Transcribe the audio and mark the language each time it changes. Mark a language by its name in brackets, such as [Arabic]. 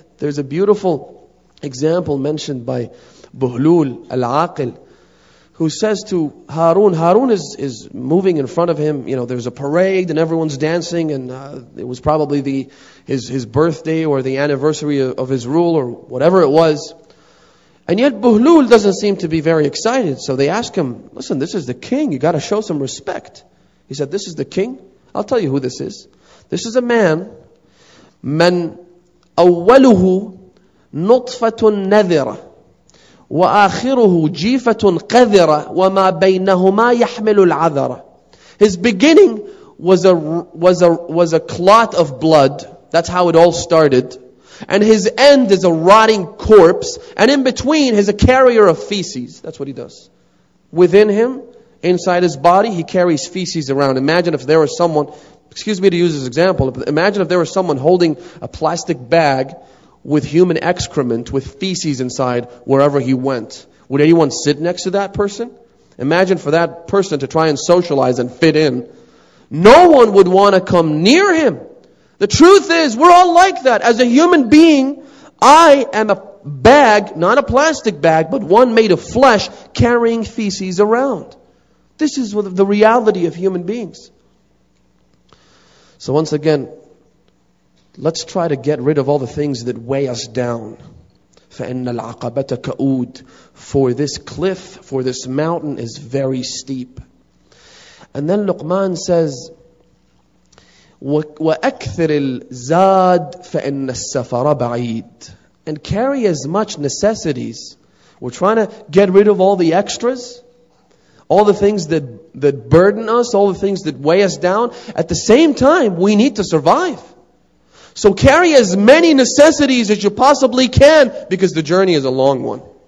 [English] There's a beautiful example mentioned by Buhlul Al-Aqil, who says to Harun, Harun is moving in front of him, there's a parade and everyone's dancing, and it was probably his birthday or the anniversary of his rule or whatever it was. And yet Buhlul doesn't seem to be very excited. So they ask him, listen, this is the king, you got to show some respect. He said, this is the king? I'll tell you who this is. This is a man, [Arabic] من أوله نطفة نذرة وآخره جيفة قذرة وما بينهما يحمل العذرة. [English] His beginning was a clot of blood. That's how it all started. And his end is a rotting corpse. And in between is a carrier of feces. That's what he does. Within him, inside his body, he carries feces around. Imagine if there was someone, excuse me to use this example, imagine if there was someone holding a plastic bag with human excrement, with feces inside, wherever he went. Would anyone sit next to that person? Imagine for that person to try and socialize and fit in. No one would want to come near him. The truth is, we're all like that. As a human being, I am a bag, not a plastic bag, but one made of flesh, carrying feces around. This is the reality of human beings. So once again, let's try to get rid of all the things that weigh us down. [Arabic] فَإِنَّ الْعَقَبَةَ كَأُودٍ. [English] For this cliff, for this mountain is very steep. And then Luqman says, [Arabic] وَأَكْثِرِ الزَّادِ فَإِنَّ السَّفَرَ بَعِيدٍ. [English] And carry as much necessities. We're trying to get rid of all the extras, all the things that burden us, all the things that weigh us down. At the same time, we need to survive. So carry as many necessities as you possibly can, because the journey is a long one.